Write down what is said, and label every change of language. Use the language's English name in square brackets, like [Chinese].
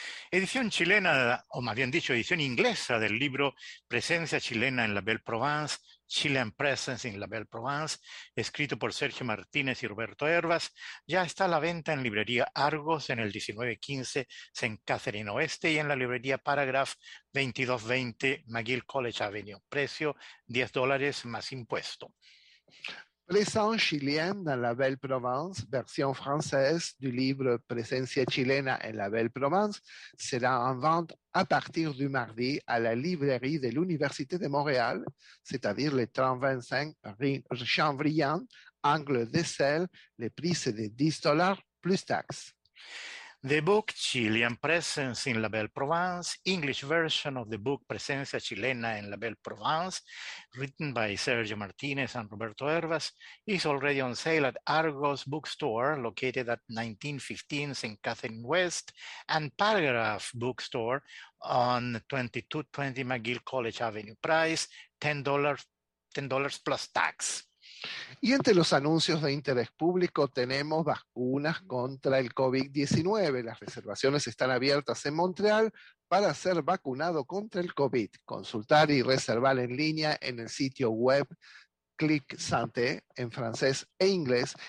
[Spanish] Edición chilena, o más bien dicho, edición inglesa del libro Presencia chilena en la Belle Provence, Chilean Presence in la Belle Provence, escrito por Sergio Martínez y Roberto Hervas, ya está a la venta en librería Argos en el 1915 Saint Catherine Oeste y en la librería Paragraph 2220 McGill College Avenue. Precio $10 más impuesto. [French] Présence chilienne dans la Belle Provence, version française du livre Présence chilena en la Belle Provence, sera en vente à partir du mardi à la librairie de l'Université de Montréal, c'est-à-dire le 325 rue Chambriand, angle Dessel. Le prix c'est de $10 plus taxes. [English] The book Chilean Presence in La Belle Provence, English version of the book Presencia Chilena en La Belle Provence, written by Sergio Martinez and Roberto Hervas, is already on sale at Argos Bookstore, located at 1915 St. Catherine West, and Paragraph Bookstore on 2220 McGill College Avenue. Price $10 plus tax. [Spanish] Y entre los anuncios de interés público tenemos vacunas contra el COVID-19. Las reservaciones están abiertas en Montreal para ser vacunado contra el COVID. Consultar y reservar en línea en el sitio web Clic Santé en francés e inglés.